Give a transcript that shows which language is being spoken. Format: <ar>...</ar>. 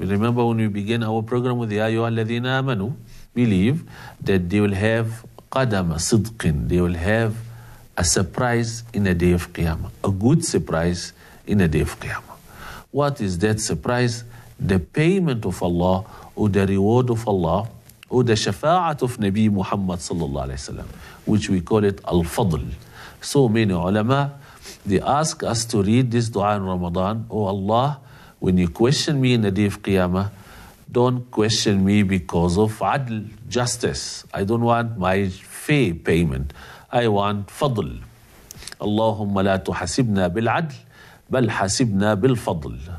<en>Remember when we begin our program with the</en> <ar>أَيُّهَا الَّذِينَ آمَنُوا,</ar> <en>believe that they will have</en> <ar>قَدَمَ صِدْقٍ,</ar> <en>they will have a surprise in a day of Qiyamah, a good surprise in a day of Qiyamah. What is that surprise? The payment of Allah or the reward of Allah</en> <ar>هذا شفاعة في نبي محمد صلى الله عليه وسلم</ar> <en>which we call it</en> <ar>الفضل.</ar> <en>So many علماء they ask us to read this دعاء in Ramadan. Oh Allah, when you question me in the day of Qiyamah, don't question me because of عدل, justice. I don't want my fee payment. I want فضل.</en> <ar>اللهم لا تحسبنا بالعدل بل حسبنا بالفضل.</ar>